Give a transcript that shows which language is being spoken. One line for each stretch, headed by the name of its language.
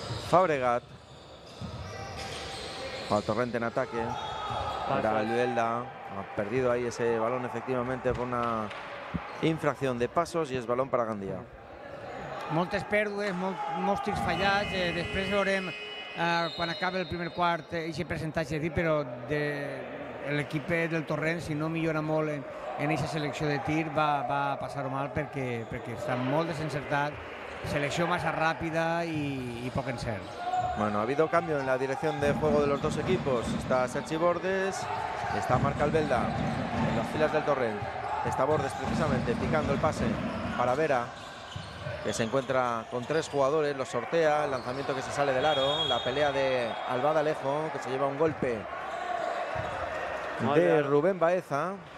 Spanish: Fabregat. Al Torrent en ataque. Para Albelda. Ha perdido ahí ese balón, efectivamente, por una infracción de pasos, y es balón para Gandia.
Catalan: Moltes pèrdues, molts tirs fallats. Després veurem quan acabi el primer quart aquest percentatge, però l'equip del Torrent, si no millora molt en aquesta selecció de tir, va passar-ho mal perquè està molt desencertat.
Spanish: Selección más rápida y poco en ser. Bueno, ha habido cambio en la dirección de juego de los dos equipos. Está Sergi Bordes, está Marc Albelda en las filas del Torrent. Está Bordes precisamente picando el pase para Vera, que se encuentra con tres jugadores, lo sortea, el lanzamiento que se sale del aro, la pelea de Albada Alejo, que se lleva un golpe de Rubén Baeza.